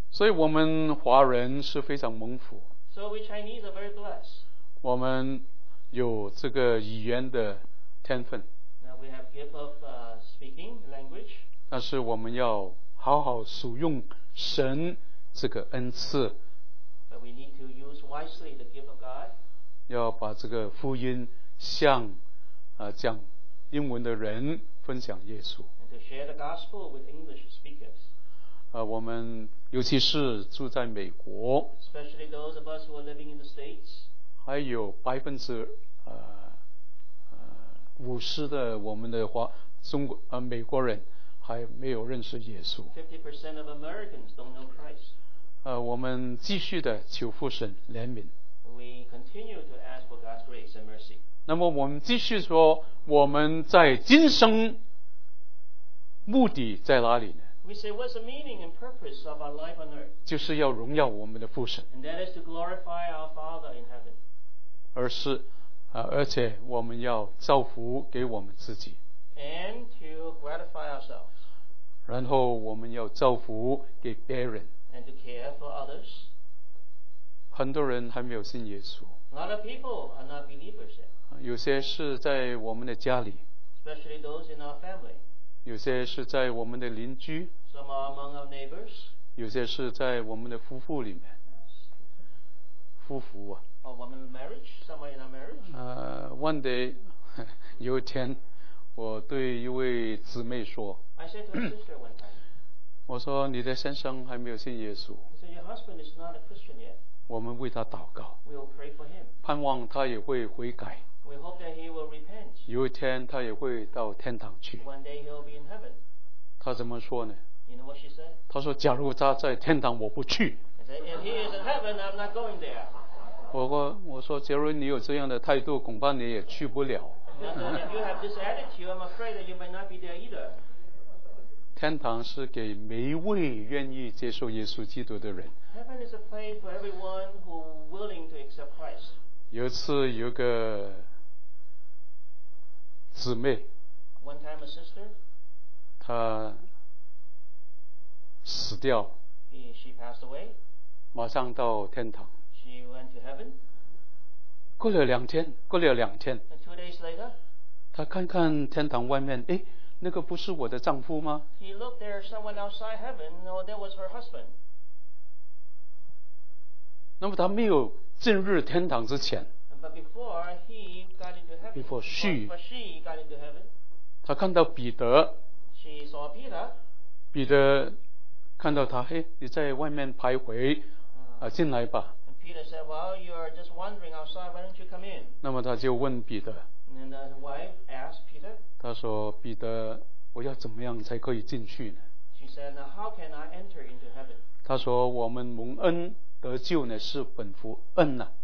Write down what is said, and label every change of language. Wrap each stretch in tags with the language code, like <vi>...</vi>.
<zh>所以我们华人是非常蒙福</zh> <en>So we Chinese are very blessed.</en> <zh>我们有这个语言的天分</zh> <en>Now we have gift of speaking language.</en> <zh>但是我们要好好使用神这个恩赐</zh> <en>But we need to use wisely the gift of God.</en> <zh>要把这个福音向讲英文的人分享耶稣</zh> <en>and to share the gospel with English speakers.</en> <zh>我们尤其是住在美国</zh> <en>especially those of us who are living in the States</en> <zh>还有50%的我们的华中国美国人还没有认识耶稣</zh> <en>50% of Americans don't know Christ.</en> <zh>我们继续的求父神怜悯</zh> <en>we continue to ask for God's grace and mercy.</en> <zh>那么我们继续说我们在今生目的在哪里呢</zh> <en>We say, what's the meaning and purpose of our life on earth?</en> <zh>就是要荣耀我们的父神</zh> <en>And that is to glorify our Father in heaven.</en> <zh>而且我们要造福给我们自己</zh> <en>And to gratify ourselves.</en> <zh>然后我们要造福给别人</zh> <en>And to care for others.</en> <zh>很多人还没有信耶稣</zh> <en>A lot of people are not believers yet.</en> <zh>有些是在我们的家里</zh> <en>especially those in our family.</en> <zh>有些是在我们的邻居</zh> <en>some are among our neighbors.</en> <zh>有些是在我们的夫妇里面</zh> <en>yes.</en> <zh>夫妇啊</zh> <en>or women marriage, somewhere in our marriage. One day,</en> <zh>有一天我对一位姊妹说</zh> <en>I said to her sister one time.</en> <zh>我说你的先生还没有信耶稣</zh> <en>He said your husband is not a Christian yet.</en> <zh>我们为他祷告</zh> <en>We will pray for him.</en> <zh>盼望他也会悔改</zh> <en>We hope that he will repent.</en> <zh>有一天他也会到天堂去。</zh> <en>One day he'll be in heaven.</en> <zh>他怎么说呢</zh> <en>You know what she said?</en> <zh>他说假如他在天堂我不去。</zh> <en>And he is in heaven, I'm not going there.</en> <zh>我说假如你有这样的态度恐怕你也去不了。</zh> <en>If you have this attitude, I'm afraid that you might not be there either.</en> <zh>天堂是给每一位愿意接受耶稣基督的人。</zh> <en>Heaven is a place for everyone who is willing to accept Christ.</en> <zh>有一次有个姊妹</zh> <en>One time a sister,</en> <zh>她死掉</zh> <en>she passed away,</en> <zh>马上到天堂</zh> <en>she went to heaven,</en> <zh>过了两天</zh> <en>and two days later,</en> <zh>她看看天堂外面那个不是我的丈夫吗</zh> <en>he looked there someone outside heaven or there was her husband</en> <zh>那么她没有进入天堂之前</zh> <en>But before she got into heaven,</en> <zh>他看到彼得</zh> <en>she saw Peter.</en> <zh>彼得看到他，你在外面徘徊，进来吧。</zh> <en>And Peter said, "Well, you are just wandering outside. Why don't you come in?"</en> <zh>那么他就问彼得。</zh> <en>And the wife asked Peter.</en> <zh>他说，彼得，我要怎么样才可以进去呢</zh> <en>？She said, "Now, how can I enter into heaven?"</en> <zh>他说，我们蒙恩得救呢，是本乎恩呐。</zh>